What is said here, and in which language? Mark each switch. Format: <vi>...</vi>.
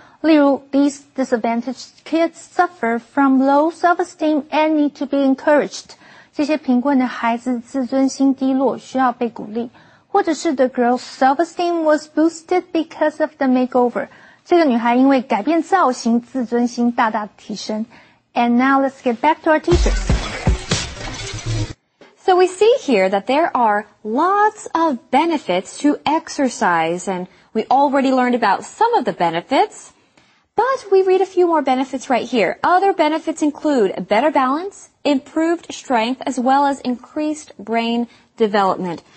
<zh>例如</zh> <en>,these disadvantaged kids suffer from low self-esteem and need to be encouraged.</en> <zh>这些贫困的孩子自尊心低落需要被鼓励。或者是</zh> <en>the girl's self-esteem was boosted because of the makeover.</en> <zh>这个女孩因为改变造型自尊心大大提升。</zh> <en>And now let's get back to our teachers. So we see here that there are lots of benefits to exercise, and we already learned about some of the benefits. But we read a few more benefits right here. Other benefits include a better balance, improved strength, as well as increased brain development.</en>